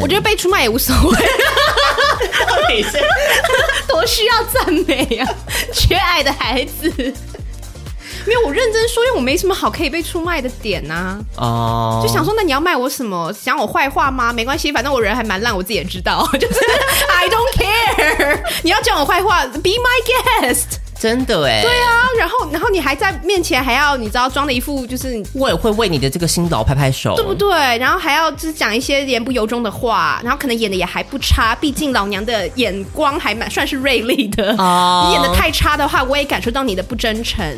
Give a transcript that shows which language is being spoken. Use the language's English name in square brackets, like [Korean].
[Chinese] 我觉得被出卖也无所谓，到底是多需要赞美啊，缺爱的孩子。没有，我认真说，因为我没什么好可以被出卖的点啊。哦、 [English] oh. [Chinese] ，就想说，那你要卖我什么？讲我坏话吗？没关系，反正我人还蛮烂，我自己也知道。就是 [English] I don't care， [Chinese] 你要讲我坏话 ， [English] Be my guest。 [Chinese] 真的哎，对啊，然后你还在面前还要你知道装的一副就是，我也会为你的这个辛劳拍拍手，对不对？然后还要就是讲一些言不由衷的话，然后可能演的也还不差，毕竟老娘的眼光还蛮算是锐利的啊。你演的太差的话，我也感受到你的不真诚，